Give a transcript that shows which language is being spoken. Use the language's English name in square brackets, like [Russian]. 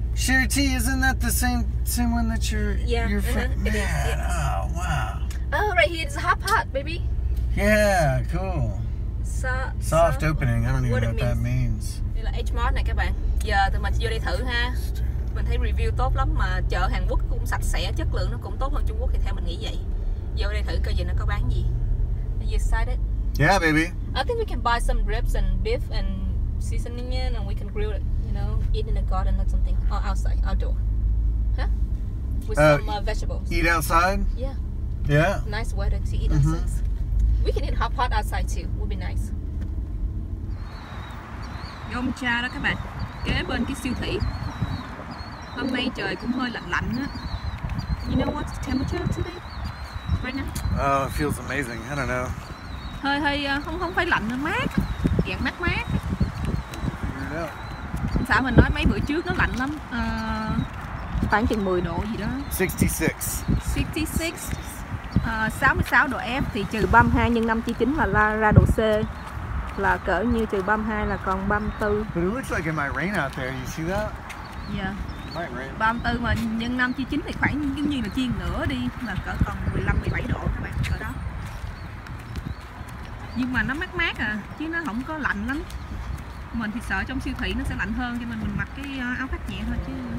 [English] Share Tea, isn't that the same one that you're your friend? Yeah, it is. Yes. Oh, wow. Oh, right here. It's a hot pot, baby. Yeah, cool. Soft opening. I don't even know what that means. [Vietnamese] Là HMart này các bạn. Giờ thì mình vô đây thử ha. Mình thấy review tốt lắm mà chợ Hàn Quốc cũng sạch sẽ, chất lượng nó cũng tốt hơn Trung Quốc thì theo mình nghĩ vậy. Vô đây thử coi giờ nó có bán gì. [English] Are you excited? Yeah, baby. I think we can buy some ribs and beef and seasoning in and we can grill it, you know, eat in the garden or something or outside, outdoor. Huh? With some vegetables. Eat outside? Yeah. Yeah. Nice weather to eat outside. We can eat hot pot outside too. Would be nice. [Vietnamese] Gongcha đó các bạn, kế bên cái siêu thị. Hôm nay trời cũng hơi lạnh lạnh á. [English] You know what temperature today? Right now? Oh, it feels amazing. I don't know. [Vietnamese] Hơi không phải lạnh, mát. Dạng mát. [English] Yeah. [Vietnamese] Sao mình nói mấy bữa trước nó lạnh lắm. Khoảng chừng 10 độ gì đó. [English] 66. [Vietnamese] 66 độ F thì trừ 32 nhân 5 chia 9 là ra độ C. Là cỡ như trừ 32 là còn 34. [English] But it looks like it might rain out there, you see that? Yeah. It might rain. [Vietnamese] 34 mà nhân 5 chia 9 thì khoảng giống như là chia nửa đi. Là cỡ còn 15-17 độ các bạn, cỡ đó. Nhưng mà nó mát mát à, chứ nó không có lạnh lắm. Mình thì sợ trong siêu thị nó sẽ lạnh hơn, cho nên mình mặc cái áo khoác nhẹ thôi chứ.